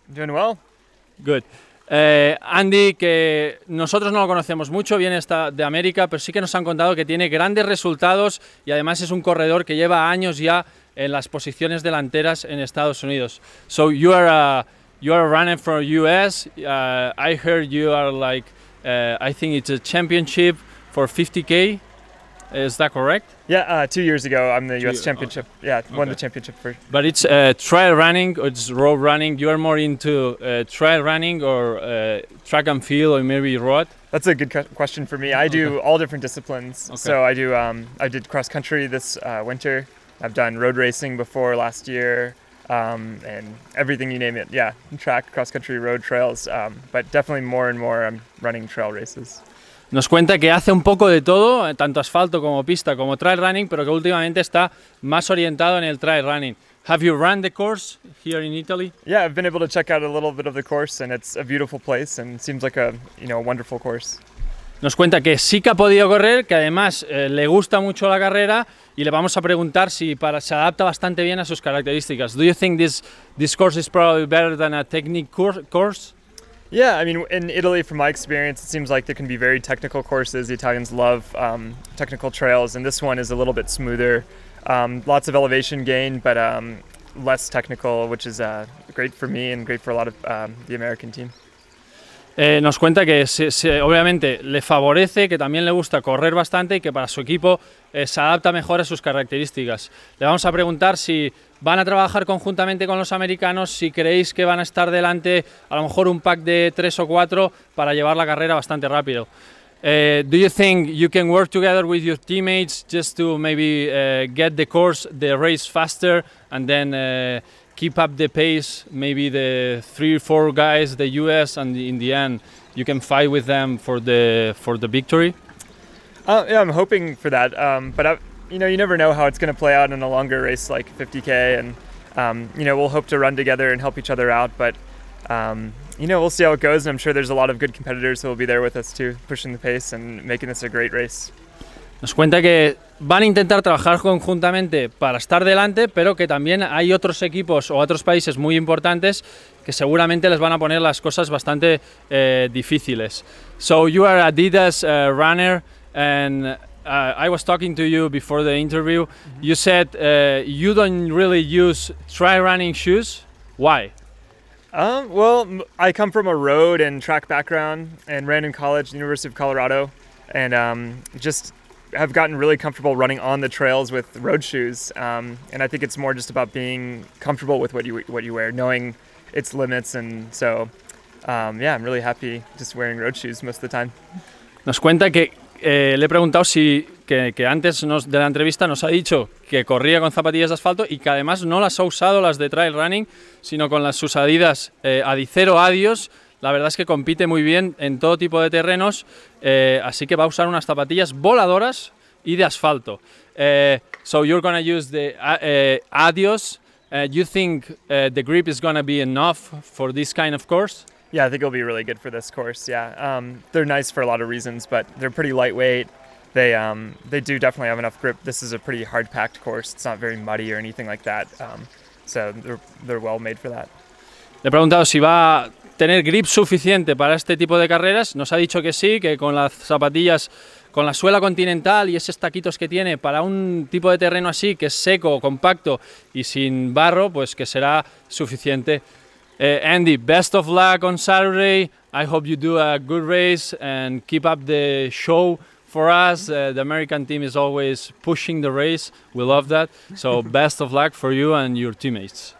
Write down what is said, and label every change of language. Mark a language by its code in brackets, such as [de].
[en] Doing well. Good. [es] Andy, que nosotros no lo conocemos mucho, viene de América, pero sí que nos han contado que tiene grandes resultados y además es un corredor que lleva años ya en las posiciones delanteras en Estados Unidos. [en] So you are running for US. I heard you are like I think it's a championship for 50K. Is that correct? Yeah, 2 years ago I'm the US championship. Okay. Yeah, won the championship first. But it's trail running or it's road running? You are more into trail running or track and field or maybe road? That's a good question for me. I do all different disciplines. Okay. So I do I did cross country this winter. I've done road racing before last year, and everything you name it. Yeah, track, cross country, road, trails, but definitely more and more I'm running trail races. [es] Nos cuenta que hace un poco de todo, tanto asfalto como pista como trail running, pero que últimamente está más orientado en el trail running. [en] Have you run the course here in Italy? Yeah, I've been able to check out a little bit of the course, and it's a beautiful place and seems like a, you know, a wonderful course. [es] Nos cuenta que sí que ha podido correr, que además le gusta mucho la carrera y le vamos a preguntar si se adapta bastante bien a sus características. [en] Do you think this course is probably better than a technique course? Yeah, I mean, in Italy, from my experience, it seems like there can be very technical courses. The Italians love technical trails, and this one is a little bit smoother. Lots of elevation gain, but less technical, which is great for me and great for a lot of the American team. [es] Nos cuenta que se obviamente le favorece, que también le gusta correr bastante y que para su equipo se adapta mejor a sus características. Le vamos a preguntar si van a trabajar conjuntamente con los americanos, si creéis que van a estar delante a lo mejor un pack de 3 o 4 para llevar la carrera bastante rápido. [en] Do you think you can work together with your teammates just to maybe get the course, the race faster and then keep up the pace, maybe the 3 or 4 guys, the US, and in the end, you can fight with them for the victory? Yeah, I'm hoping for that. You never know how it's going to play out in a longer race like 50K. And, we'll hope to run together and help each other out. But, we'll see how it goes. And I'm sure there's a lot of good competitors who will be there with us too, pushing the pace and making this a great race. [es] Nos cuenta que van a intentar trabajar conjuntamente para estar delante, pero que también hay otros equipos o otros países muy importantes que seguramente les van a poner las cosas bastante difíciles. [en] So you are Adidas runner, and I was talking to you before the interview. Mm-hmm. You said you don't really use trail running shoes. Why? Well, I come from a road and track background and ran in college, University of Colorado, and have gotten really comfortable running on the trails with road shoes, and I think it's more just about being comfortable with what you wear, knowing its limits, and so I'm really happy just wearing road shoes most of the time. [es] Nos cuenta que le he preguntado si que antes de la entrevista nos ha dicho que corría con zapatillas de asfalto y que además no las ha usado las de trail running, sino con las sus Adidas Adicero Adios. La verdad es que compite muy bien en todo tipo de terrenos, así que va a usar unas zapatillas voladoras y de asfalto. [en] So you're gonna use the Adios. You think the grip is gonna be enough for this kind of course? Yeah, I think it'll be really good for this course. Yeah, they're nice for a lot of reasons, but they're pretty lightweight. They do definitely have enough grip. This is a pretty hard-packed course. It's not very muddy or anything like that. So they're well made for that. [es] Le he preguntado si va a tener grip suficiente para este tipo de carreras. Nos ha dicho que sí, que con las zapatillas, con la suela continental y esos taquitos que tiene para un tipo de terreno así, que es seco, compacto y sin barro, pues que será suficiente. [en] Andy, best of luck on Saturday. I hope you do a good race and keep up the show for us. The American team is always pushing the race. We love that. So best of luck for you and your teammates.